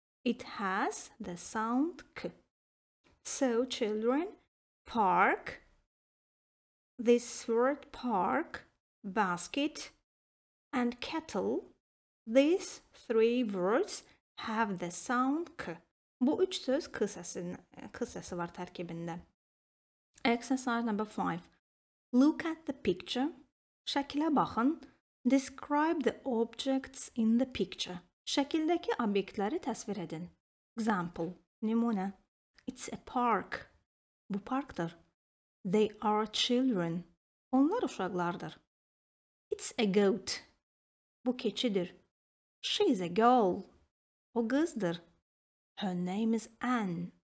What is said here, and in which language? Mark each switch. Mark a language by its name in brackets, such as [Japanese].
[English] It has the sound k. So, children, park. This word park, basket, and kettle. These three words have the sound k. [Azerbaijani] Bu üç söz k səsi var tərkibində. Exercise number 5. [English] Look at the picture. Şəkilə baxın. Describe the objects in the picture. [Azerbaijani] Şəkildəki obyektləri təsvir edin. [English] Example. Nümunə. It's a park. Bu parkdır. They are children. Onlar uşaqlardır. It's a goat. Bu keçidir. She is a girl. O qızdır. Her name is Anne.